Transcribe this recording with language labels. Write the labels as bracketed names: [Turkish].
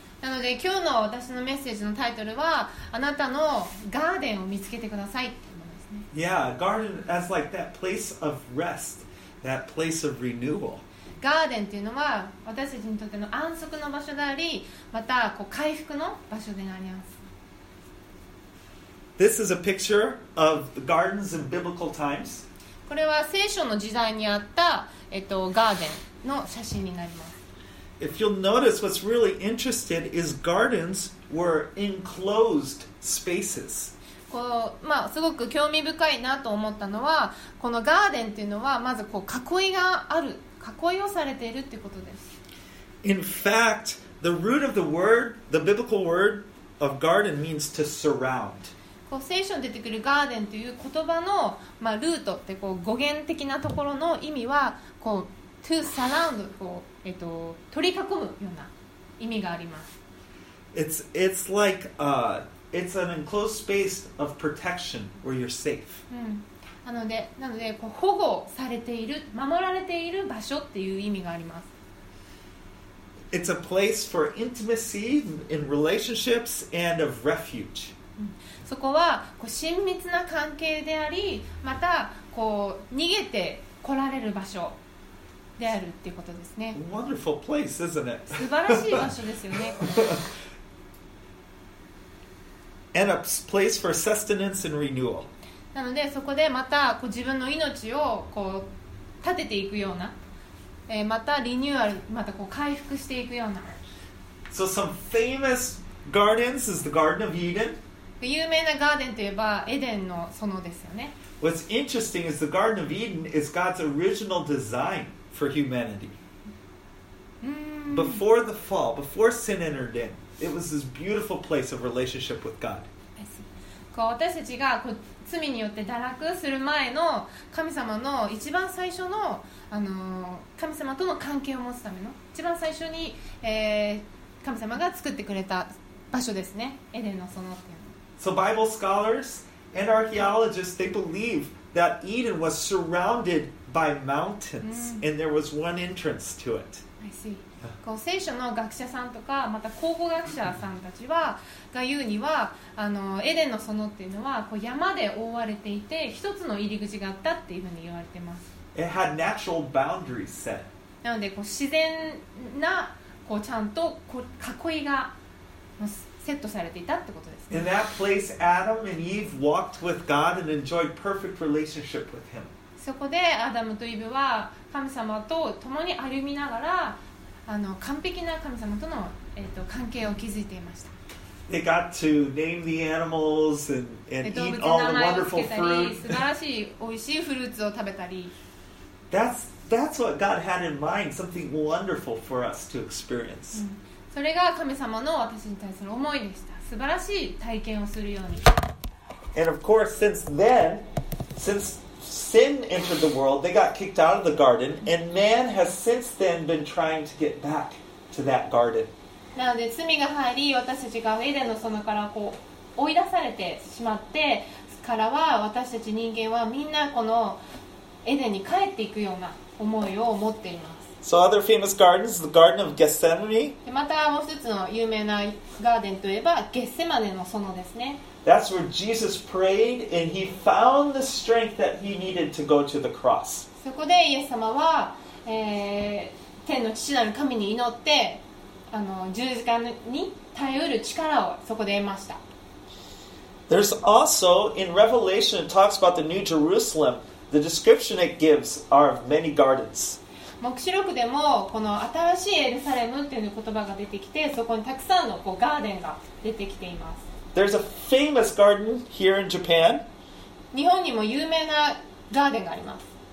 [Japanese] なので今日の私のメッセージのタイトルはあなたのガーデンを見つけてくださいっていうものですね。 [English] Yeah, garden as like that place of rest, that place of renewal. [Japanese] ガーデンっていうのは私たちにとっての安息の場所であり、またこう回復の場所であります。 [English] This is a picture of the gardens in biblical times. [Japanese] これは聖書の時代にあった、ガーデンの写真になります。 [English] If you'll notice, what's really interesting is gardens were enclosed spaces. [Japanese] こう、まあ、すごく興味深いなと思ったのは、このガーデンっていうのはまずこう囲いがある、囲いをされているっていうことです。 [English] In fact, the root of the word, the biblical word of garden means to surround. [Japanese] こう聖書に出てくるガーデンという言葉の、まあ、ルートってこう語源的なところの意味はこう [English] to surround [Japanese] こう取り囲むような意味があります。 [English] It's like it's an enclosed space of protection where you're safe、 [Japanese] うん、なのでこう保護されている守られている場所っていう意味があります。 [English] It's a place for intimacy in relationships and of refuge、 [Japanese] うん、そこはこう親密な関係であり、またこう逃げて来られる場所であるっていうことですね。 [English] Wonderful place, isn't it? [Japanese] 素晴らしい場所ですよね。 [English] And a place for sustenance and renewal. [Japanese] なのでそこでまたこう自分の命をこう立てていくような、またリニューアル、またこう回復していくような。 [English] So some famous gardens is the Garden of Eden. [Japanese] 有名なガーデンといえばエデンの園ですよね。 [English] What's interesting is the Garden of Eden is God's original design for humanity. Before the fall, before sin entered in, it was this beautiful place of relationship with God. [Japanese] 私たちが罪によって堕落する前の神様の一番最初の、神様との関係を持つための一番最初に、神様が作ってくれた場所ですね。エデンの園っていうの。 [English] So Bible scholars and archaeologists, they believe that Eden was surrounded by mountains, and there was one entrance to it. I see. [Japanese] こう聖書の学者さんとかまた考古学者さんたちはが言うにはあのエデンの園っていうのはこう山で覆われていて一つの入り口があったっていうふうに言われてます。 [English] It had natural boundaries set. [Japanese] なのでこう自然なこうちゃんとこう囲いがセットされていたってことですね。 [English] In that place, Adam and Eve walked with God and enjoyed perfect relationship with Him. [Japanese] そこでアダムとイブは神様と共に歩みながらあの完璧な神様との、関係を築いていました。 [English] They got to name the animals and eat all the wonderful fruit. [Japanese] 素晴らしい美味しいフルーツを食べたり。 [English] That's what God had in mind, something wonderful for us to experience.、 [Japanese] それが神様の私に対する思いでした。素晴らしい体験をするように。 [English] And of course, since then, since sin entered the world, they got kicked out of the garden, and man has since then been trying to get back to that garden. [Japanese] なので罪が入り、私たちがエデンの園からこう追い出されてしまってからは、私たち人間はみんなこのエデンに帰っていくような思いを持っています。 [English] So other famous gardens, the Garden of Gethsemane. [Japanese] またもう一つの有名なガーデンといえば、ゲッセマネの園ですね。 [English] That's where Jesus prayed and he found the strength that he needed to go to the cross. [Japanese] そこでイエス様は、天の父なる神に祈って、あの十字架に耐えうる力をそこで得ました。 [English] There's also, in Revelation, it talks about the New Jerusalem. The description it gives are of many gardens. [Japanese] 黙示録でもこの新しいエルサレムっていう言葉が出てきてそこにたくさんのこうガーデンが出てきています。 [English] There's a famous garden here in Japan. [Japanese] 日本にも有名なガーデンがあります。